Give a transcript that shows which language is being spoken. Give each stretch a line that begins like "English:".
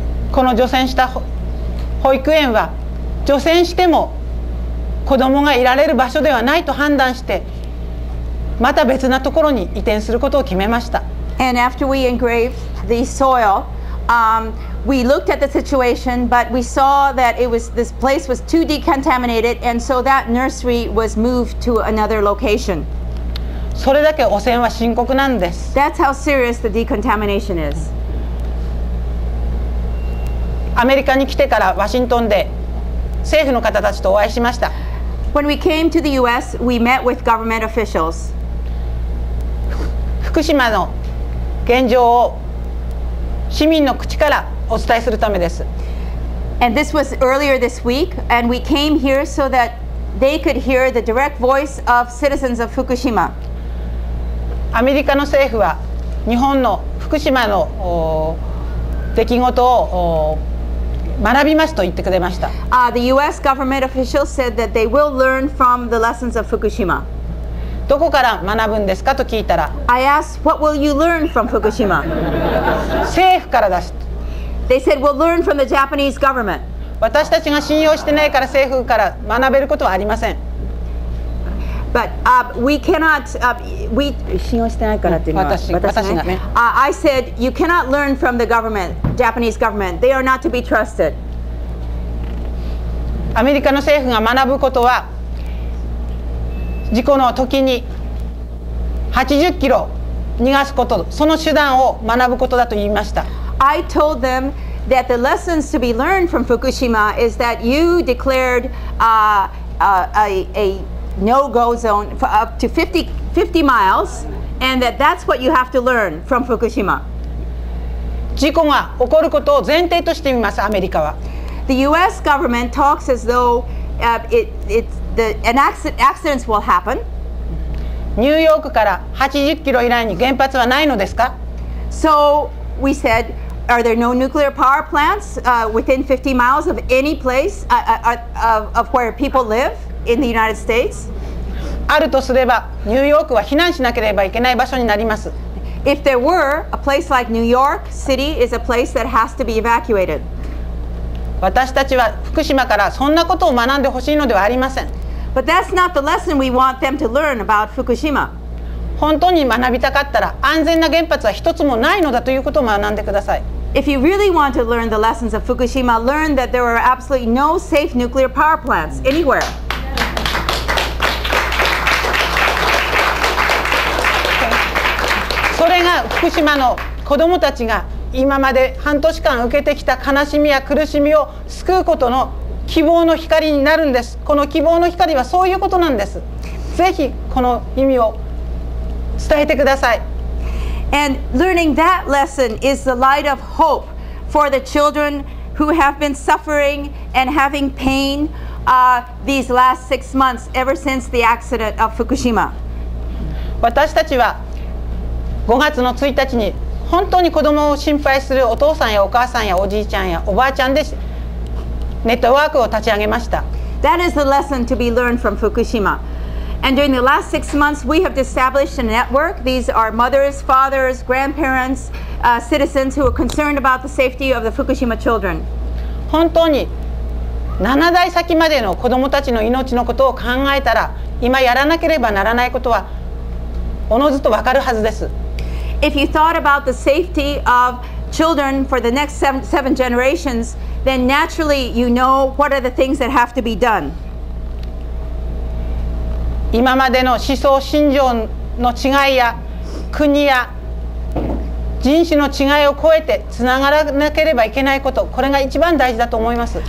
Japanese: この除染した保育園は除染しても子どもがいられる場所ではないと判断してまた別なところに移転することを決めました。
English: And after we engraved the soil, we looked at the situation, but we saw that it was, this place was too decontaminated, and so that nursery was moved to another location.
Japanese: それだけ汚染は深刻なんです。
English: That's how serious the decontamination is.
Japanese: アメリカに来てからワシントンで政府の方たちとお会いしました。
English: When we came to the U.S., we met with government officials.
Japanese: 福島の現状を市民の口からお伝えするためです。
English: And this was earlier this week, and we came here so that they could hear the direct voice of citizens of Fukushima.
Japanese: アメリカの政府は日本の福島の出来事を学びますと言ってくれました。
English: The U.S. government officials said that they will learn from the lessons of Fukushima.
Japanese: どこから学ぶんですかと聞いたら
English: I asked, what will you learn from Fukushima?
Japanese: 政府からだし
English: They said, we'll learn from the Japanese government.
Japanese: 私たちが信用してないから政府から学べることはありません。
English: But we cannot, we
Japanese: 信用してないからっていうのは私がね。
English: I said, you cannot learn from the government, Japanese government. They are not to be trusted.
Japanese: アメリカの政府が学ぶことは事故の時に80キロ逃がすこと、その手段を学ぶことだと言いました。
English: I told them that the lessons to be learned from Fukushima is that you declared a no-go zone for up to 50 miles, and that that's what you have to learn from Fukushima.
Japanese: 事故が起こることを前提としていますアメリカは。
English: The U.S. government talks as though accidents will happen.
Japanese: ニューヨークから80キロ以内に原発はないのですか?
English: So we said, are there no nuclear power plants within 50 miles of any place of where people live in the United States?
Japanese: あるとすれば、ニューヨークは避難しなければいけない場所になります。
English: If there were, a place like New York City is a place that has to be evacuated.
Japanese: 私たちは福島からそんなことを学んでほしいのではありません。
English: But that's not the lesson we want them to learn about Fukushima.
Japanese: 本当に学びたかったら安全な原発は一つもないのだということを学んでください。
English: If you really want to learn the lessons of Fukushima, learn that there are absolutely no safe nuclear power plants anywhere.
Japanese: それが福島の子どもたちが今まで半年間受けてきた悲しみや苦しみを救うことの希望の光になるんです。この希望の光はそういうことなんです。ぜひこの意味を伝えてください。
English: And learning that lesson is the light of hope for the children who have been suffering and having pain these last six months ever since the accident of Fukushima.
Japanese: 私たちは5月の1日に本当に子どもを心配するお父さんやお母さんやおじいちゃんやおばあちゃんでネットワークを立ち上げました。
English: That is the lesson to be learned from Fukushima. And during the last six months, we have established a network. These are mothers, fathers, grandparents, citizens who are concerned about the safety of the Fukushima children.
Japanese: 本当に7代先までの子どもたちの命のことを考えたら、今やらなければならないことはおのずとわかるはずです。
English: If you thought about the safety of children for the next seven generations, then naturally you know what are the things that have to be done.
Japanese: 今までの思想信条の違いや国や人種の違いを超えてつながらなければいけないこと、これが一番大事だと思います。